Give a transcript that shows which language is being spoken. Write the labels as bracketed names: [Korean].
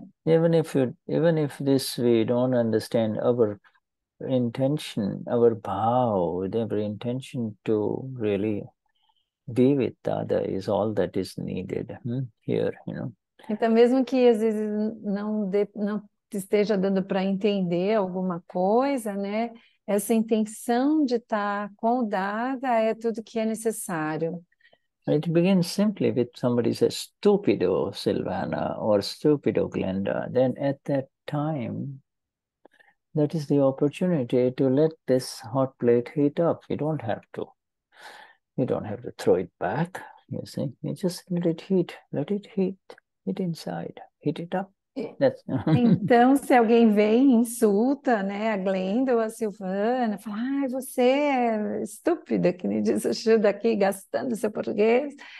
[English] even if this we don't understand our intention, our bhav, every intention to really be with the other is all that is needed here, you know. [Portuguese] Então, mesmo que às vezes não esteja dando para entender alguma coisa, né? Essa intenção de estar com o Dada é tudo que é necessário. [English] It begins simply with somebody says, stupido Silvana or stupido Glenda. Then at that time, that is the opportunity to let this hot plate heat up. You don't have to throw it back, you see. You just let it heat, heat inside, heat it up. [Portuguese] Então, se alguém vem e insulta, né, a Glenda ou a Silvana, fala, você é estúpida, que nem diz o Shuddha aqui, gastando seu português.